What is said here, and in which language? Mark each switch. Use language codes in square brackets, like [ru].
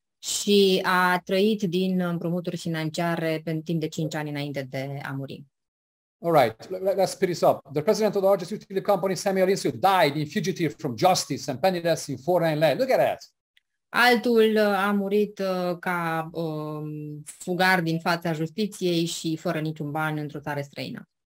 [ro] Și a trăit din împrumuturi financiare pentru timp de 5 ani înainte de a muri. [en] All right, let's speed this up. The president of the largest utility company, Samuel Insull, died in fugitive from justice and penniless in foreign land. Look at that! [ro] Altul a murit ca fugar din fața justiției și fără niciun ban într-o țară străină.